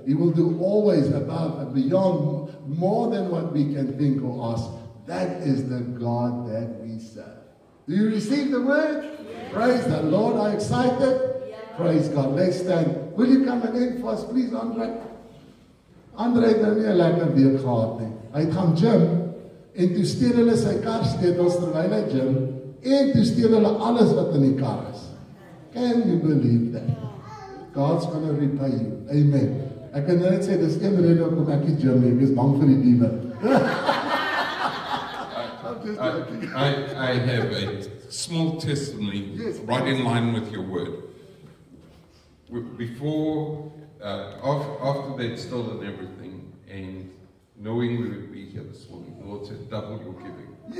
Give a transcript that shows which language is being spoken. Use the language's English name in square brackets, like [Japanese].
[English] He will do always above and beyond, more than what we can think or ask. That is the God that we serve. Do you receive the word? Yes. Praise the Lord. Are you excited? Yes. Praise God. Let's stand. Will you come again for us, please, Andre? [Afrikaans] Andre het nou nie 'n lekker week gehad nie. Hy het gaan gym en toe steel hulle sy kar sleutels terwyl hy gym en toe steel hulle alles wat in die kar is. [English] Can you believe that? God's gonna repay you. Amen. [Afrikaans] Ek kan net sê dis een rede hoekom ek nie gym nie. Ek is bang vir die diewe. [English] I have a small testimony, yes, right in line with your word. Before, after they'd stolen everything, and knowing we would be here this morning, the Lord said, double your giving.